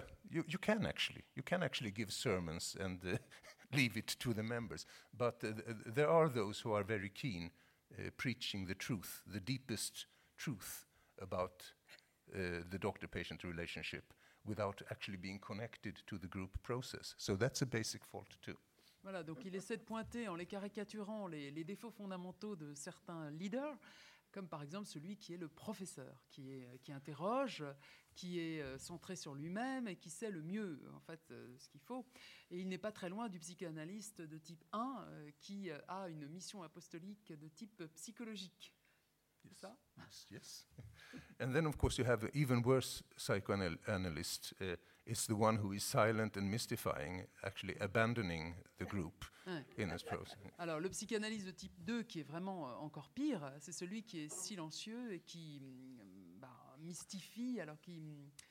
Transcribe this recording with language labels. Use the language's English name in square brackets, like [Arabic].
[English] You can actually give sermons and leave it to the members. But there are those who are very keen preaching the truth, the deepest truth about the doctor-patient relationship without actually being connected to the group process. So that's a basic fault too. [French] Voilà, donc il essaie de pointer en les caricaturant les défauts fondamentaux de certains leaders, comme par exemple celui qui est le professeur, qui interroge, qui est centré sur lui-même et qui sait le mieux, en fait, ce qu'il faut. Et il n'est pas très loin du psychanalyste de type 1 qui a une mission apostolique de type psychologique. [English] Yes. Yes, yes. And then, of course, you have an even worse psychoanalyst. It's the one who is silent and mystifying, actually abandoning the group in this process. [French] Alors, le psychanalyste de type 2, qui est vraiment encore pire, c'est celui qui est silencieux et qui mystifie, alors qu'il...